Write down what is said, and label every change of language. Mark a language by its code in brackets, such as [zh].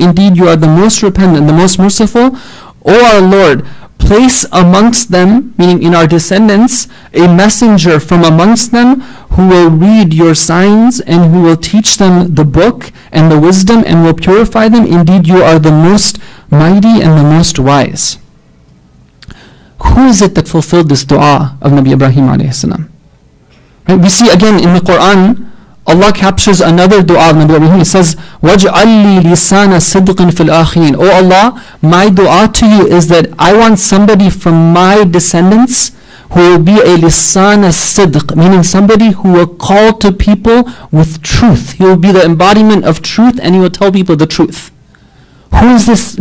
[en] Indeed, you are the most repentant, the most merciful. O our Lord, place amongst them, meaning in our descendants, a messenger from amongst them who will read your signs and who will teach them the book and the wisdom and will purify them. Indeed, you are the most mighty and the most wise. Who is it that fulfilled this dua of Nabi Ibrahim alayhi salam? Right? We see again in the Quran, Allah captures another dua of Nabi Ibrahim. He says, [ar] وَجْعَلِّي لِسَانَ صِدْقٍ فِي الْآخِرِينَ. [en] O Allah, my dua to you is that I want somebody from my descendants who will be a lisana sidq, meaning somebody who will call to people with truth. He will be the embodiment of truth and he will tell people the truth. Who is this?